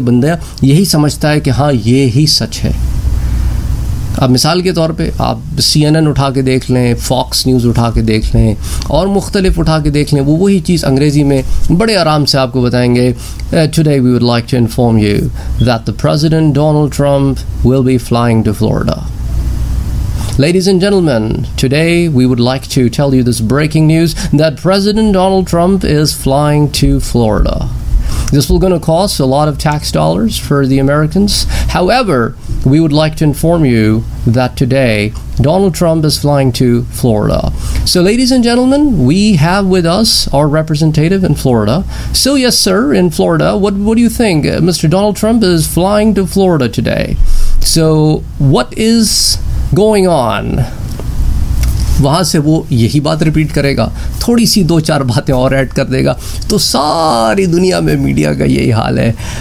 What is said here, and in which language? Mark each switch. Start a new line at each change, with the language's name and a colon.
Urdu: بندہ یہی سمجھتا ہے کہ ہاں یہ ہی سچ ہے. اب مثال کے طور پہ آپ سی این این اٹھا کے دیکھ لیں، فاکس نیوز اٹھا کے دیکھ لیں، اور مختلف اٹھا کے دیکھ لیں، وہ وہی چیز انگریزی میں بڑے آرام سے آپ کو بتائیں گے.
English: Today we would like to inform you that the president Donald Trump will be flying to Florida. Ladies and gentlemen, today we would like to tell you this breaking news that president Donald Trump is flying to Florida. This will going to cost a lot of tax dollars for the Americans. However, we would like to inform you that today Donald Trump is flying to Florida. So ladies and gentlemen, we have with us our representative in Florida. So yes, sir, in Florida, what do you think? Mr. Donald Trump is flying to Florida today. So what is going on?
Urdu: وہاں سے وہ یہی بات repeat کرے گا، تھوڑی سی دو چار باتیں اور ایڈ کر دے گا. تو ساری دنیا میں میڈیا کا یہی حال ہے.